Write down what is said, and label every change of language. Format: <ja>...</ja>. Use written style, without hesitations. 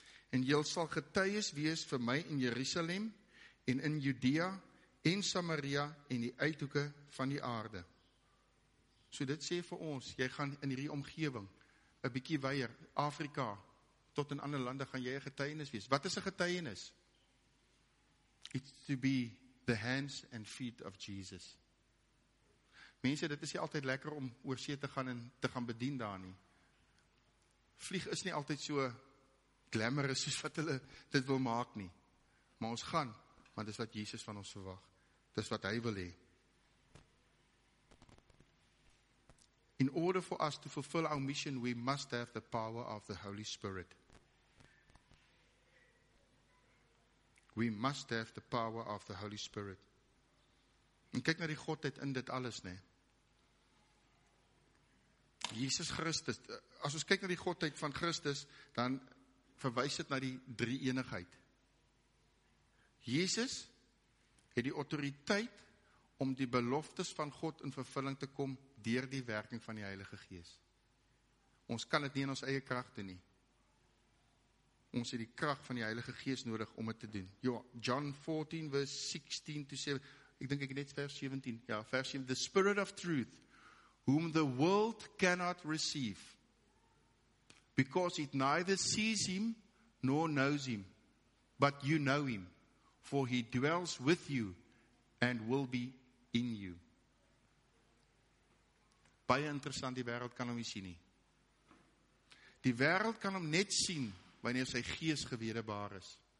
<af>En jyl sal getuies wees vir my in Jerusalem en in Judea en Samaria en die uithoeke van die aarde. So dit sê vir ons, jy gaan in hierdie omgewing, 'n bietjie weier, Afrika, tot in ander lande gaan jy 'n getuienis wees. Wat is 'n getuienis?</af> <en>It's to be the hands and feet of Jesus.</en> <af>Mense, dit is nie altyd lekker om oor see te gaan en te gaan bedien daar nie. Vlieg is nie altyd so glamorous soos wat hulle dit wil maak nie. Maar ons gaan, want dis wat Jesus van ons verwag. Dis wat hy wil hê.</af> <en>In order for us to fulfill our mission, we must have the power of the Holy Spirit. We must have the power of the Holy Spirit.</en> <af>En kyk na die Godheid in dit alles, nee. Jesus Christus, as ons kyk na die Godheid van Christus, dan verwys dit na die drie-enigheid. Jesus het die autoriteit om die beloftes van God in vervulling te kom deur die werking van die Heilige Gees. Ons kan dit nie in ons eie krag doen nie. Ons het die krag van die Heilige Gees nodig om dit te doen. John 14 vers 16 to 17, ek dink ek net vers 17,</af> <en>ja, vers 17, the Spirit of Truth, whom the world cannot receive, because it neither sees him nor knows him, but you know him, for he dwells with you and will be in you.</en> <af>Baie interessant, die wêreld kan hom nie sien nie. Die wêreld kan hom net sien wanneer sy gees gewedebaar is.</af>